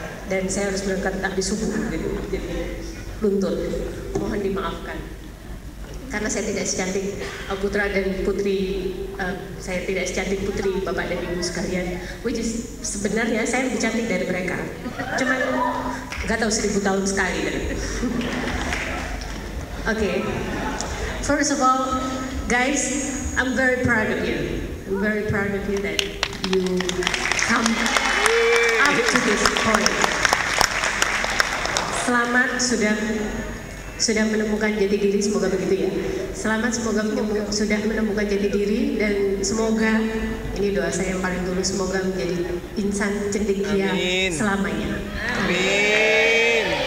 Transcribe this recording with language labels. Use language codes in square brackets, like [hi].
[id] Dan saya harus berangkat tadi subuh gitu. Jadi luntur. Mohon dimaafkan. Karena saya tidak secantik putra dan putri, saya tidak secantik putri bapak dan ibu sekalian. Which is, sebenarnya saya lebih cantik dari mereka. Cuman, gak tahu 1000 tahun sekali. Okay. [en] First of all, guys, I'm very proud of you. I'm very proud of you that you come up to this point. [id] Selamat sudah menemukan jati diri, semoga begitu ya. Selamat, semoga sudah menemukan jati diri dan semoga, ini doa saya yang paling tulus, semoga menjadi insan cendekia selamanya. Amin.